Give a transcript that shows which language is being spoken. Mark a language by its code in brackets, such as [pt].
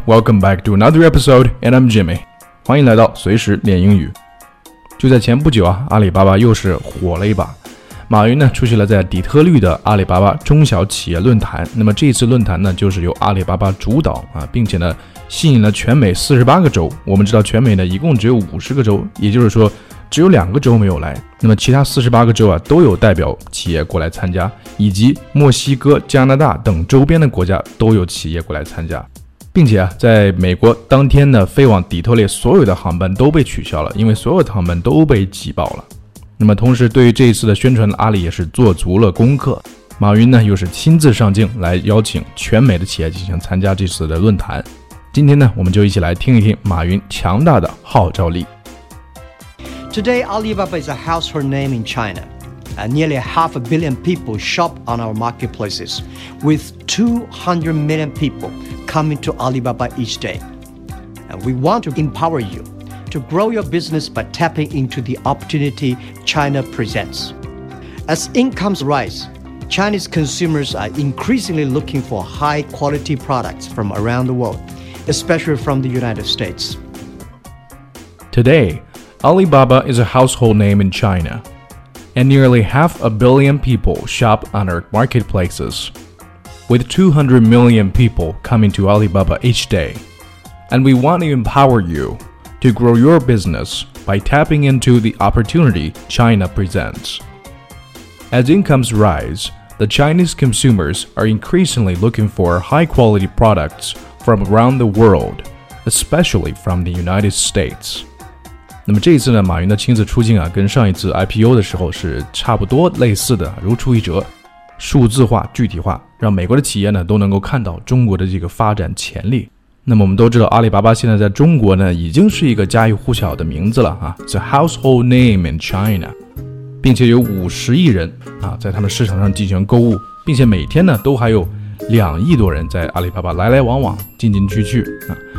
[en] Welcome back to another episode, and I'm Jimmy. [zh] 欢迎来到随时练英语。就在前不久啊，阿里巴巴又是火了一把。马云呢出席了在底特律的阿里巴巴中小企业论坛。那么这次论坛呢，就是由阿里巴巴主导啊，并且呢吸引了全美48个州。我们知道全美呢一共只有50个州，也就是说只有2个州没有来。那么其他48个州啊都有代表企业过来参加，以及墨西哥、加拿大等周边的国家都有企业过来参加。并且啊，在美国当天呢，飞往底特律所有的航班都被取消了，因为所有的航班都被挤爆了。那么同时对于这一次的宣传，阿里也是做足了功课。马云呢又是亲自上镜来邀请全美的企业进行参加这次的论坛。今天呢，我们就一起来听一听马云强大的号召力。 [en] Today, Alibaba is a household name in China, and nearly 500 million people shop on our marketplaces, with 200 million people coming to Alibaba each day. And we want to empower you to grow your business by tapping into the opportunity China presents. As incomes rise, Chinese consumers are increasingly looking for high-quality products from around the world, especially from the United States. Today,Alibaba is a household name in China, and nearly 500 million people shop on our marketplaces, with 200 million people coming to Alibaba each day. And we want to empower you to grow your business by tapping into the opportunity China presents. As incomes rise, the Chinese consumers are increasingly looking for high-quality products from around the world, especially from the United States. [zh] 那么这一次呢，马云的亲自出镜啊，跟上一次 IPO 的时候是差不多类似的，如出一辙，数字化、具体化，让美国的企业呢都能够看到中国的这个发展潜力。那么我们都知道，阿里巴巴现在在中国呢已经是一个家喻户晓的名字了啊 ， [en] the household name in China， [zh] 并且有50亿人啊在他们市场上进行购物，并且每天呢都还有2亿多人在阿里巴巴来来往往、进进去去啊。